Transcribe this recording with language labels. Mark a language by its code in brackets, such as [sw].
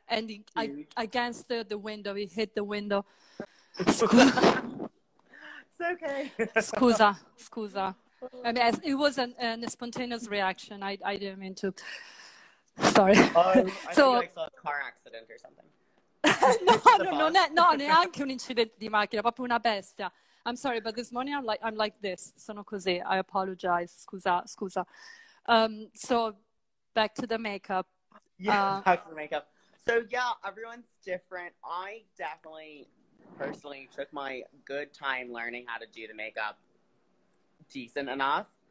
[en] And against the window, it hit the window. It's okay. [it] Scusa. [en] I mean, it was a spontaneous reaction. I didn't mean to. Sorry. I think I saw a car accident or something. [it] No, neanche un incidente di macchina, proprio una bestia. [en] I'm sorry, but this morning I'm like this. [it] Sono così. [en] I apologize. [it] Scusa. [en] So back to the makeup. Yeah, back to the makeup. So yeah, everyone's different. I definitely personally took my good time learning how to do the makeup decent enough.